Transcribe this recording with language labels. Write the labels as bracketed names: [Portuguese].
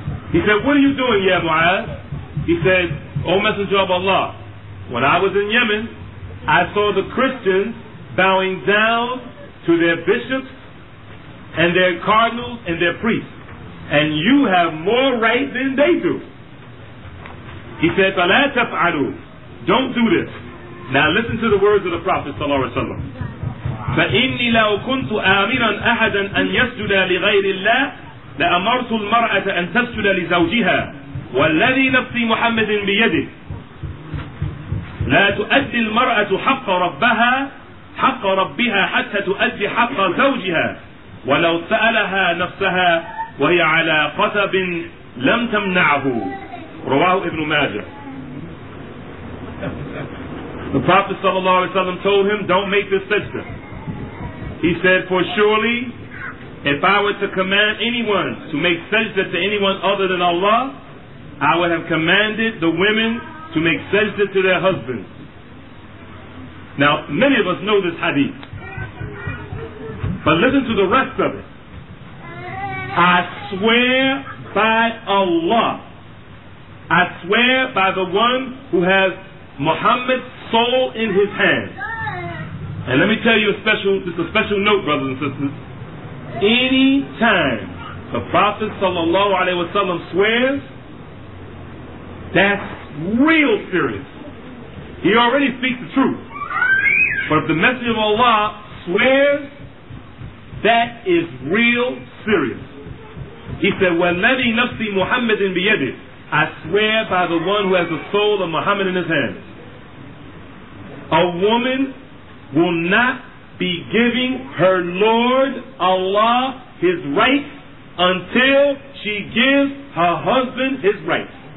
[English] He said, what are you doing, يَا مُعَاذ? He said, O Messenger of Allah, when I was in Yemen, I saw the Christians bowing down to their bishops and their cardinals and their priests. and you have more right than they do. He said, [Arabic] فَلَا تَفْعَلُوا. [English] Don't do this. Now listen to the words of the Prophet صلى الله عليه وسلم. [Arabic] فَإِنِّي لَوْ كُنْتُ آمِرًا أَحَدًا أَنْ يَسْجُدَ لِغَيْرِ اللَّهِ لَأَمَرْتُ الْمَرْأَةَ أَنْ تَسْجُدَ لِزَوْجِهَا وَالَّذِي نَفْسِي مُحَمَّدٍ بِيَدِهِ لا تؤدي المرأة حق ربها حق ربها حتى تؤدي حق زوجها ولو سألها نفسها وهي على قتب لم تمنعه. رواه ابن ماجه. [English] The Prophet صلى الله عليه وسلم told him, don't make this sister. He said, for surely if I were to command anyone to make sajda to anyone other than Allah, I would have commanded the women to make sajda to their husbands. Now, many of us know this hadith, but listen to the rest of it. I swear by Allah, I swear by the one who has Muhammad's soul in his hand. And let me tell you a special note, brothers and sisters. Any time the Prophet sallallahu alaihi wasallam swears, that's real serious. He already speaks the truth. But if the Messenger of Allah swears, that is real serious. He said, [Arabic] وَالَّذِي نَفْسِي مُحَمَّدٍ بِيَدِهِ. [English] I swear by the one who has the soul of Muhammad in his hands. A woman will not be giving her Lord Allah his rights until she gives her husband his rights.